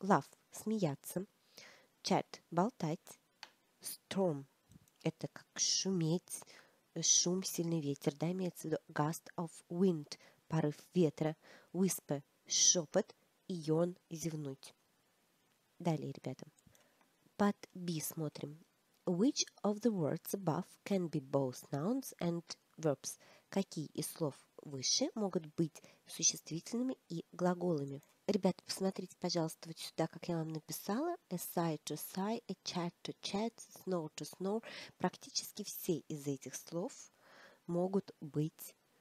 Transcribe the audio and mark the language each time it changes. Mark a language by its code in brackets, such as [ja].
[ru] Laugh – смеяться, chat – болтать, storm – это как шуметь, шум, сильный ветер, да, имеется в виду [en] gust of wind, [ru] порыв ветра, whisper, шепот, и yawn, зевнуть. Далее, ребята, под B смотрим. [en] Which of the words above can be both nouns and verbs? [ru] Какие из слов выше могут быть существительными и глаголами? Ребята, посмотрите, пожалуйста, вот сюда, как я вам написала. [en] A sigh to sigh, a chat to chat, snore to snore. [ru] Практически все из этих слов могут быть...